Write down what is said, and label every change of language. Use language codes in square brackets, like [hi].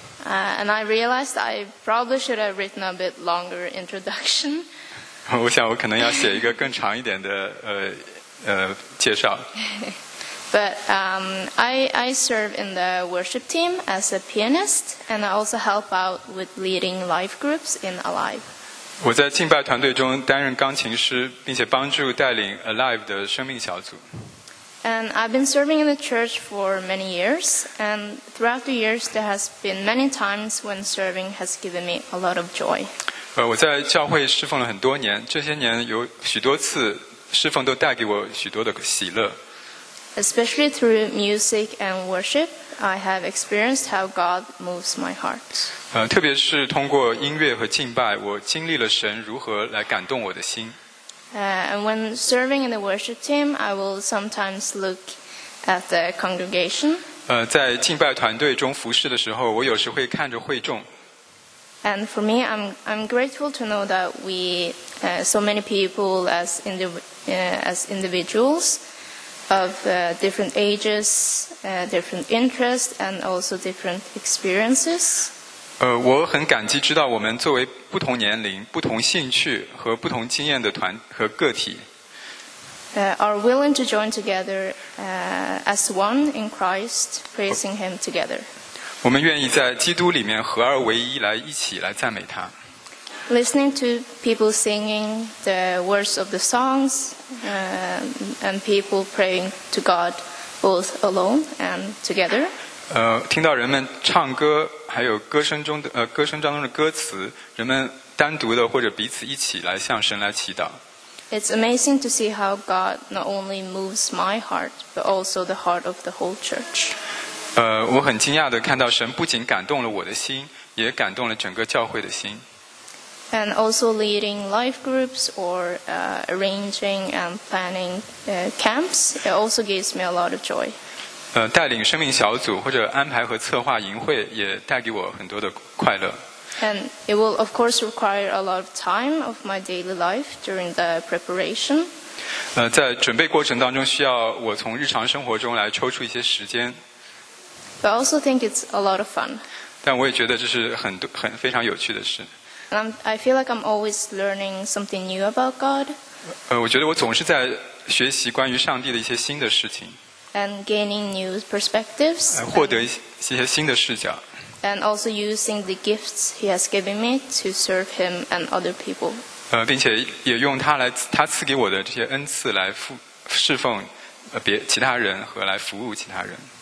[en] And I realized I probably should have written a bit longer introduction. [zh] 我想我可能要写一个更长一点的介绍。 [en] But I serve in the worship team as a pianist, and I also help out with leading life groups in Alive. [zh] 我在敬拜团队中担任钢琴师，并且帮助带领 Alive 的生命小组。 [en] And I've been serving in the church for many years, and throughout the years, there has been many times when serving has given me a lot of joy. [zh] 我在教会侍奉了很多年，这些年有许多次侍奉都带给我许多的喜乐。 [en] Especially through music and worship, I have experienced how God moves my heart. [zh] 特别是通过音乐和敬拜，我经历了神如何来感动我的心。 [en] And when serving in the worship team, I will sometimes look at the congregation. [zh] 在敬拜团队中服侍的时候，我有时会看着会众。 [en] And for me, I'm grateful to know that we, so many people as individuals of different ages, different interests, and also different experiences. [zh] 我很感激知道我们作为不同年龄、不同兴趣和不同经验的团和个体。 [en] Are willing to join together, as one in Christ, praising Him together. [zh] 我们愿意在基督里面合而为一，来一起来赞美他。 [en] Listening to people singing the words of the songs, and people praying to God, both alone and together. [zh] 听到人们唱歌，还有歌声当中的歌词，人们单独的或者彼此一起来向神来祈祷。 [en] It's amazing to see how God not only moves my heart, but also the heart of the whole church. [zh] 我很惊讶的看到神不仅感动了我的心，也感动了整个教会的心。 [en] And also leading life groups or arranging and planning camps, it also gives me a lot of joy. [zh] 带领生命小组或者安排和策划营会也带给我很多的快乐。 [en] And it will of course require a lot of time of my daily life during the preparation. [zh] 在准备过程当中需要我从日常生活中来抽出一些时间。 [en] But I also think it's a lot of fun. [zh] 但我也觉得这是很非常有趣的事。 [en] And I feel like I'm always learning something new about God. [zh] 我觉得我总是在学习关于上帝的一些新的事情。 [en] And gaining new perspectives. [zh] 获得一些新的视角。 [en] And also using the gifts He has given me to serve Him and other people. [zh] 并且也用他赐给我的这些恩赐来侍奉其他人和来服务其他人。